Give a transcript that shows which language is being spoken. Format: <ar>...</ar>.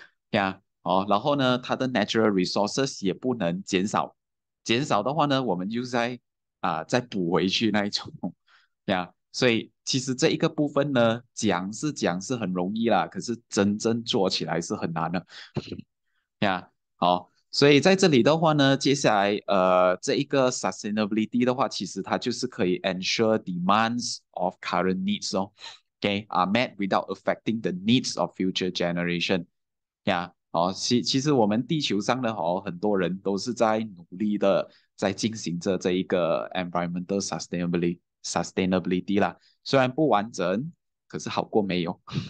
<zh>呀 哦，然后呢，它的 natural resources 也不能减少，减少的话呢，我们就在再补回去那一种，呀，所以其实这一个部分呢，讲是很容易啦，可是真正做起来是很难的，呀，好，所以在这里的话呢，接下来这一个 sustainability 的话，其实它就是可以</zh> <en>ensure demands of current needs</en> <zh>哦。</zh> <en>Okay, are met without affecting the needs of future generation.</en> <zh>哦，其实我们地球上的哦，很多人都是在努力的在进行着这一个 environmental sustainability 啦。虽然不完整，可是好过没有。</zh>